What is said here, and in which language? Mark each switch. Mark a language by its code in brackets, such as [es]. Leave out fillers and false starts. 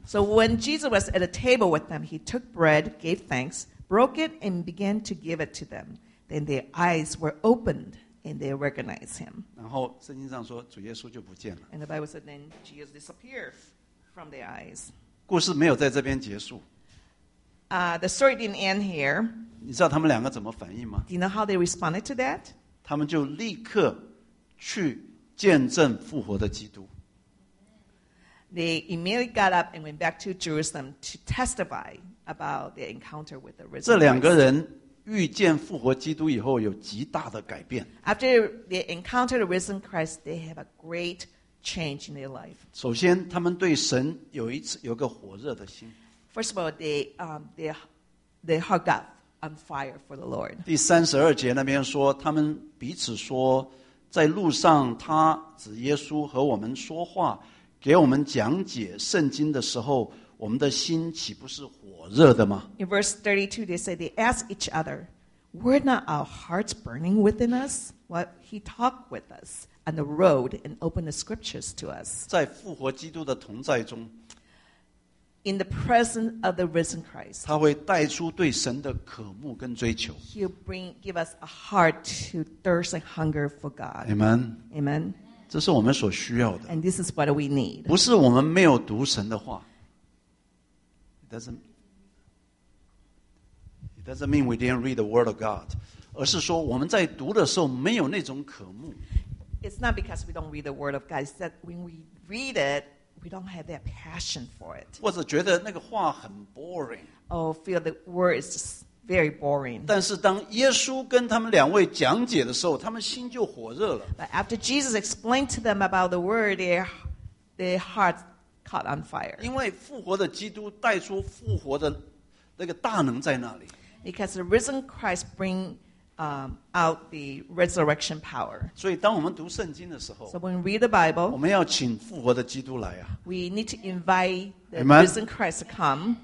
[en] So when Jesus was at a table with them, he took bread, gave thanks, broke it, and began to give it to them. Then their eyes were opened. and they recognize him. [zh] 然后圣经上说主耶稣就不见了。 [en] And the Bible said then Jesus disappeared from their eyes. [zh] 故事没有在这边结束。 [en] The story didn't end here. [zh] 你知道他们两个怎么反应吗？ [en] Do you know how they responded to that? [zh] 他们就立刻去见证复活的基督。 [en] They immediately got up and went back to Jerusalem to testify about their encounter with the risen Christ. [zh] 这两个人遇见复活基督以后有极大的改变。 [en] After they encountered the risen Christ, they have a great change in their life. [zh] 首先，他们对神有个火热的心。 [en] First of all, their heart got on fire for the Lord. [zh] 第三十二节那边说，他们彼此说，在路上他指耶稣和我们说话。给我们讲解圣经的时候，我们的心岂不是火热的吗？ [en] In verse 32, they say they ask each other, "Were not our hearts burning within us while he talked with us on the road and opened the scriptures to us?" [zh] 在复活基督的同在中 [en] ，In the presence of the risen Christ, [zh] 他会带出对神的渴慕跟追求。 [en] He'll bring give us a heart to thirst and hunger for God. Amen. Amen. [zh] 这是我们所需要的。 [en] And this is what we need. [zh] 不是我们没有读神的话。 [en] It doesn't mean we didn't read the word of God. [zh] 而是说我们在读的时候没有那种渴慕。 [en] It's not because we don't read the word of God. It's that when we read it, we don't have that passion for it. [zh] 或者觉得那个话很 boring. [en] Oh, feel the word is just very boring. [zh] 但是当耶稣跟他们两位讲解的时候，他们心就火热了。 [en] But after Jesus explained to them about the word, their hearts caught on fire. [zh] 因为复活的基督带出复活的那个大能在那里。 [en] Because the risen Christ bring out the resurrection power. [zh] 所以当我们读圣经的时候 [en] ，So when we read the Bible, [zh] 我们要请复活的基督来啊。 [en] We need to invite the risen Christ to come.